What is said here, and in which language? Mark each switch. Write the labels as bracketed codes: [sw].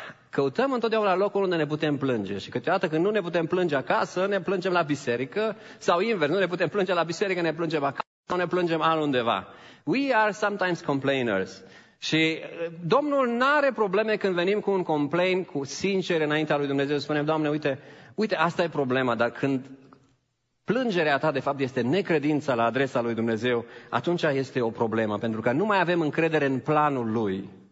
[ro] Căutăm întotdeauna locul unde ne putem plânge. Și câteodată când nu ne putem plânge acasă, ne plângem la biserică. Sau invers, nu ne putem plânge la biserică, ne plângem acasă sau ne plângem altundeva. [en] We are sometimes complainers. [ro] Și Domnul n-are probleme când venim cu un complaint, cu sincer înaintea lui Dumnezeu, spunem, Doamne, uite, asta e problema, dar când plângerea ta, de fapt, este necredința la adresa lui Dumnezeu, atunci este o problemă, pentru că nu mai avem încredere în planul lui.